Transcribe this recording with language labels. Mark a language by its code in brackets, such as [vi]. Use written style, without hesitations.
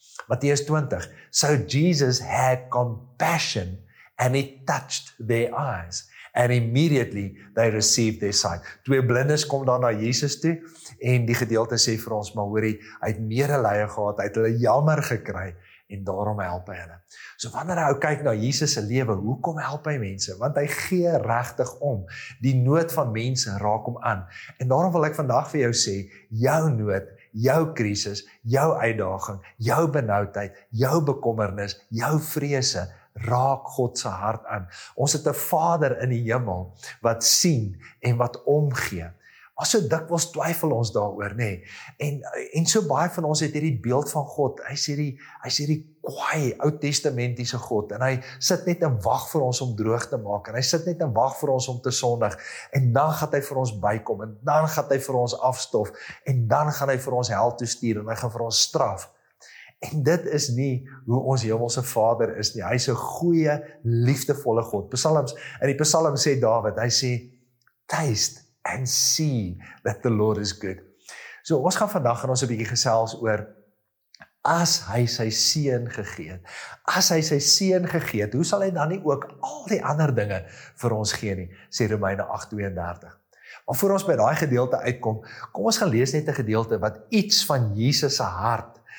[en] Matteus 20, so Jesus had compassion, and he touched their eyes, and immediately they received their sight. [af] 2 blindes kom dan na Jesus toe, en die gedeelte sê vir ons, maar hoorie, hy het medelee gehad, hy het hulle jammer gekry, en daarom help hy hulle. So wanneer hy kyk na Jesus se lewe, hoekom help hy mense? Want hy gee regtig om. Die nood van mense raak hom aan. En daarom wil ek vandag vir jou sê, jou nood, jou krisis, jou uitdaging, jou benoudheid, jou bekommernis, jou vrese, raak God se hart aan. Ons het 'n Vader in die hemel wat sien en wat omgee. Maar so dikwels twyfel ons daaroor, nê? En so baie van ons het hierdie beeld van God. Hy's hierdie kwaai Ou Testamentiese God, en hy sit net en wag vir ons om droog te maak, en hy sit net en wag vir ons om te sondig, en dan gaan hy vir ons bykom, en dan gaan hy vir ons afstof, en dan gaan hy vir ons hel toe stuur, en hy gaan vir ons straf. En dit is nie hoe ons hemelse Vader is nie. Hy's 'n goeie, liefdevolle God. Psalms, in die Psalms sê Dawid, hy sê, [en] taste and see that the Lord is good. [af] So ons gaan vandag gaan ons 'n bietjie gesels oor, as hy sy seun gegee het, as hy sy seun gegee het, hoe sal hy dan nie ook al die ander dinge vir ons gee nie, sê Romeine 8:32. Maar voor ons by daai gedeelte uitkom, kom ons gaan lees net 'n gedeelte wat iets van Jesus se hart.